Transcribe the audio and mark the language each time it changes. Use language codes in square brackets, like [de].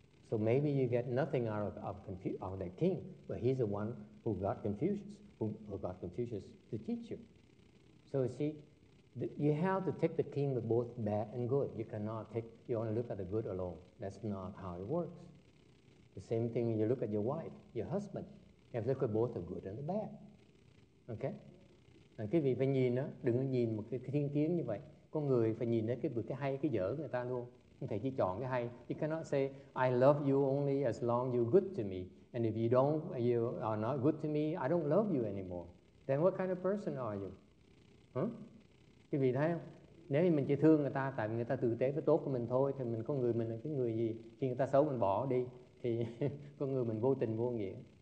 [en] So maybe you get nothing out of that king, but he's the one who got Confucius, who got Confucius to teach you. So you see, you have to take the king with both bad and good. You cannot take, you only look at the good alone. That's not how it works. The same thing you look at your wife, your husband. You have to look at both the good and the bad. Okay? [vi] Cái vị phải nhìn đó, đừng có nhìn một cái thiên kiến như vậy. Con người phải nhìn đến cái hay, cái dở người ta luôn. Không thể chỉ chọn cái hay. [en] You cannot say, I love you only as long you're good to me. And if you don't, you are not good to me, I don't love you anymore. Then what kind of person are you? Huh? [vi] Cái vị thấy không? Nếu mình chỉ thương người ta tại vì người ta tử tế với tốt của mình thôi, thì mình con người mình là cái người gì? Khi người ta xấu mình bỏ đi, thì con người mình vô tình vô nghĩa.